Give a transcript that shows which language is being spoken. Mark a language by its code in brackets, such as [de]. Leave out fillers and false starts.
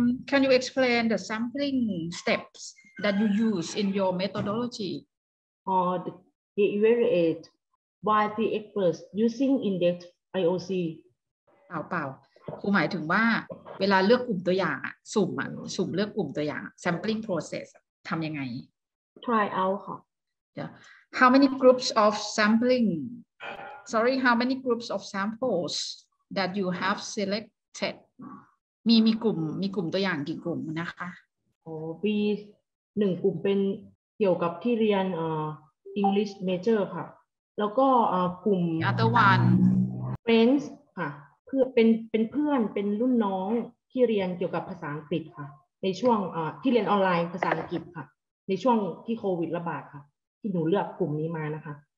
[en] Can you explain the sampling steps that you use in your methodology? They evaluate by the experts using index IOC. [th] เปล่าครูหมายถึงว่าเวลาเลือกกลุ่มตัวอย่างสุ่มเลือกกลุ่มตัวอย่าง sampling process ทำยังไง [en] try out ค่ะ How many groups of sampling? Sorry, how many groups of samples that you have selected? [th] มีกลุ่มตัวอย่างกี่กลุ่มนะคะ มี1กลุ่มเป็นเกี่ยวกับที่เรียนEnglish major ค่ะแล้วก็กลุ่ม [en] other one [th] friends ค่ะเพื่อเป็นเพื่อนเป็นรุ่นน้องที่เรียนเกี่ยวกับภาษาอังกฤษค่ะในช่วงที่เรียนออนไลน์ภาษาอังกฤษค่ะในช่วงที่โควิดระบาดค่ะที่หนูเลือกกลุ่มนี้มานะคะ